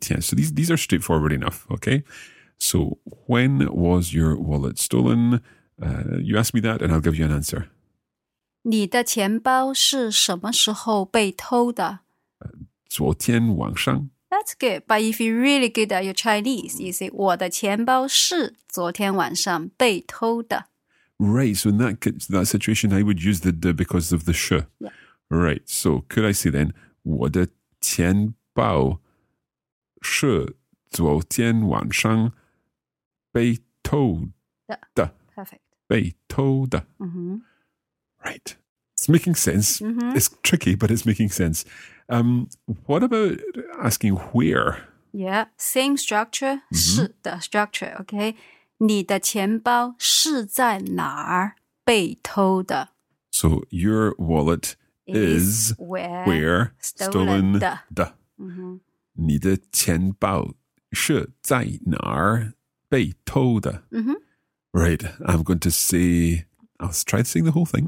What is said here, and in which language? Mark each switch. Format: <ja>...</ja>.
<en>So these are straightforward enough, okay? So when was your wallet stolen? You ask me that and I'll give you an answer.</en> <zh>你的钱包是什么时候被偷的? 昨天晚上.</zh> <en>That's good, but if you're really good at your Chinese, you say</en> <zh>我的钱包是昨天晚上被偷的.</zh> <en>Right, so in that situation, I would use the 的 because of the 是. Yeah. Right, so could I say then</en> <zh>我的钱包是昨天晚上被偷的.</zh> <en>Perfect.</en> <zh>被偷的.</zh> <en>Mm-hmm. Right. It's making sense. Mm-hmm. It's tricky, but it's making sense. What about asking where? Yeah, same structure. Mm-hmm. 是的 structure, okay?</en> <zh>你的钱包是在哪儿被偷的?</zh> <en>So your wallet is where stolen的. Mm-hmm.</en> <zh>你的钱包是在哪儿被偷的?</zh> <en>Mm-hmm. Right, I'm going to say, I'll try to sing the whole thing.</en>